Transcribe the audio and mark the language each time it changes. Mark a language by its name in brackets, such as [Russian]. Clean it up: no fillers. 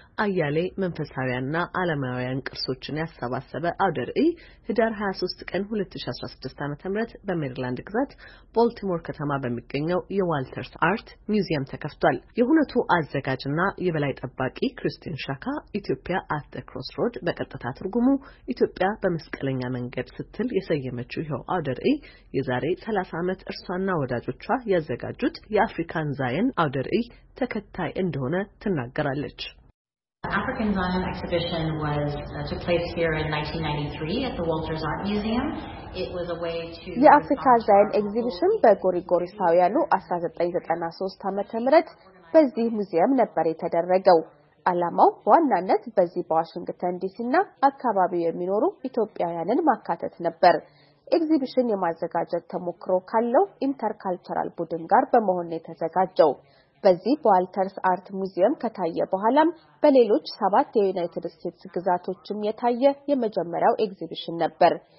[Amharic] አያሌ መንፈሳዊያና ዓለማውያን ቅርሶችን ያሰባሰበ አውደርዕይ ህዳር 23 ቀን 2016 ዓ.ም በሜሪላንድ ግዛት ቦልቲሞር ከተማ በሚገኘው የዋልተርስ አርት ሙዚየም ተከፍቷል። የሁነቱ አዘጋጅና የበላይ ጠባቂ ክርስቲን ሻካ ኢትዮጵያ አት ዘ ክሮስ ሮድ በቀጥታ ታትርጉሙ ኢትዮጵያ በመስቀለኛ መንገድ ስትል የሰየመችው ይኸው አውደርዕይ የዛሬ 30 ዓመት እርሷና ወዳጆቿ ያዘጋጁት የአፍሪካን ዛየን አውደርዕይ ተከታይ እንደሆነ ትናገራለች። [English] African Zion exhibition took place here in 1993 at the Walters Art Museum. It was a way to The African Zion exhibition [Amharic] በጎሪጎሪሳውያኑ 1993 ዓመተ ምህረት በዚህ ሙዚየም ነበር የተደረገው። አላማው ዋናነት በዚህ በዋሽንግተን ዲሲና አካባቢው የሚኖሩ ኢትዮጵያውያንን ማካተት ነበር። ኤግዚቢሽን የማዘጋጀት ተሞክሮ ካለው ኢንተርካልቸራል ቡድን ጋር በመሆን የተዘጋጀው በዚህ ዋልተርስ አርት ሙዚየም ከታየ በኋላም በሌሎች 7 የዩናይትድ ስቴትስ ግዛቶችም የታየ የመጀመሪያው ኤግዚቢሽን ነበር።